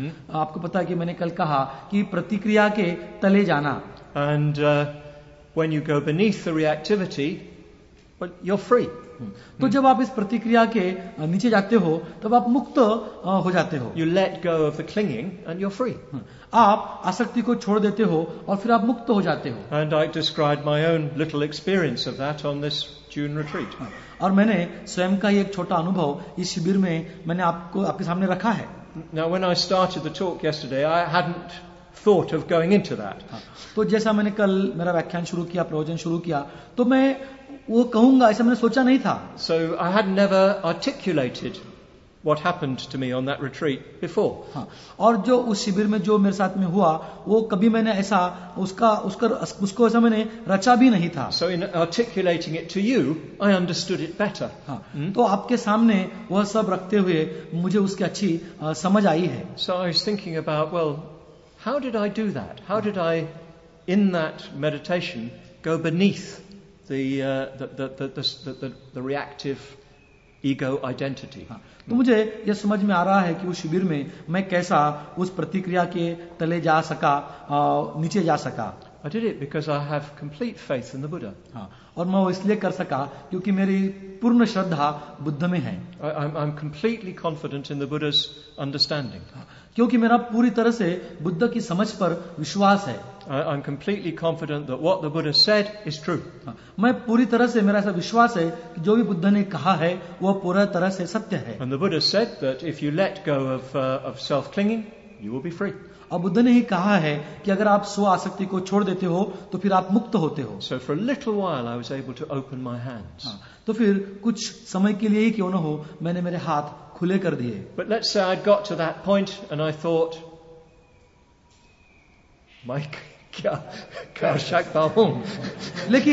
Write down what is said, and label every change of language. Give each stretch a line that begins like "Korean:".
Hindi: आपको पता है कि मैंने कल कहा कि प्रतिक्रिया के तले जाना.
English: And when you go beneath the reactivity, well, you're free.
Hindi: तो जब आप इस प्रतिक्रिया के नीचे जाते हो तब आप मुक्त हो जाते हो.
English: You let go of the clinging and you're free.
Hindi: आप आसक्ति को छोड़ देते हो और फिर आप मुक्त हो जाते हो.
English: And I described my own little experience of that on this June retreat.
Hindi: और मैंने स्वयं का एक छोटा अनुभव इस शिविर में मैंने आपको आपके सामने रखा है.
English: Now when I started the talk yesterday, I hadn't thought of going into that.
Hindi: तो जैसा मैंने कल मेरा व्याख्यान शुरू किया, प्रवचन शुरू किया, तो मैं वो कहूंगा ऐसा मैंने सोचा नहीं था.
English: So I had never articulated what happened to me on that retreat before.
Hindi: और जो उस शिविर में जो मेरे साथ में हुआ वो कभी मैंने ऐसा उसको ऐसा मैंने रचा भी नहीं था.
English: So in articulating it to you, I understood it better.
Hindi: तो आपके सामने वह सब रखते हुए मुझे उसकी अच्छी समझ आई है.
English: So I was thinking about, well, how did I do that? How did I, in that meditation, go beneath the reactive ego identity?
Hindi: तो मुझे ये समझ में आ रहा है कि उस शिविर में मैं कैसा उस प्रतिक्रिया के तले जा सका, नीचे जा सका.
English: I did it because I have complete faith in the Buddha.
Hindi: और मैं वो इसलिए कर सका क्योंकि मेरी पूर्ण श्रद्धा बुद्ध में है.
English: I'm completely confident in the Buddha's understanding.
Hindi: क्योंकि मेरा पूरी तरह से बुद्ध की समझ पर विश्वास है.
English: I'm completely confident that what the Buddha said is true.
Hindi: मैं पूरी तरह से मेरा ऐसा विश्वास है कि जो भी बुद्ध ने कहा है वह पूरी तरह से सत्य है.
English: And the Buddha said that if you let go of self-clinging, you will be free.
Hindi: और बुद्ध ने ही कहा है कि अगर आप स्व आसक्ति को छोड़ देते हो तो फिर आप मुक्त होते हो.
English: So for a little while I was able to open my hands.
Hindi: तो फिर कुछ समय के लिए ही क्यों न हो मैंने मेरे हाथ खुले कर दिए.
English: But let's say I'd got to that point and I thought, Mike,
Hindi: क्या शक्ता हूँ.